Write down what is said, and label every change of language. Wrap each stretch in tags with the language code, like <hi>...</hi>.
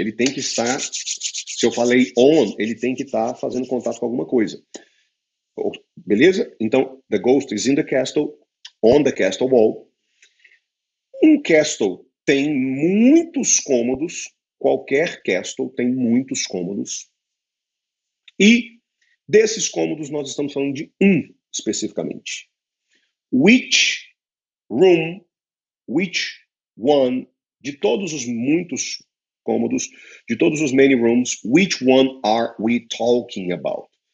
<pt>Ele tem que estar, se eu falei on, ele tem que estar fazendo contato com alguma coisa. Beleza? Então,</pt> <en>the ghost is in the castle, on the castle wall.</en> <pt>Um castle tem muitos cômodos, qualquer castle tem muitos cômodos. E desses cômodos nós estamos falando de um especificamente.</pt> <en>Which room, which one,</en> <pt>de todos os muitos cômodos, de todos os</pt> <en>many rooms, which one are we talking about?</en>